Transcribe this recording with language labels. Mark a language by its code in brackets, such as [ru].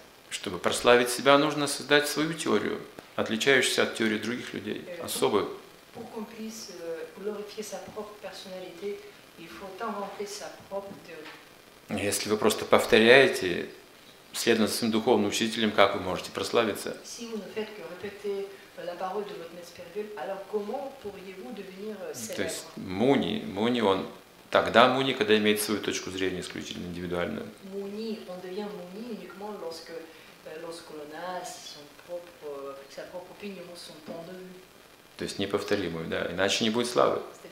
[ru] Чтобы прославить себя, нужно создать свою теорию, отличающуюся от теории других людей, особую. [fr] Pour qu'on puisse glorifier sa propre personnalité, il faut inventer sa propre théorie. [ru] Если вы просто повторяете, следуя своим духовным учителем, как вы можете прославиться? [fr] Si vous ne faites que répéter la parole de votre maître spirituel, alors comment pourriez-vous devenir célèbre? [ru] То есть Муни, он тогда Муни, когда имеет свою точку зрения исключительно индивидуальную. [fr] Муни, [ru] он [fr] devient Муни uniquement lorsqu'on a sa propre opinion, son point de vue. [ru] То есть неповторимую, да, иначе не будет славы.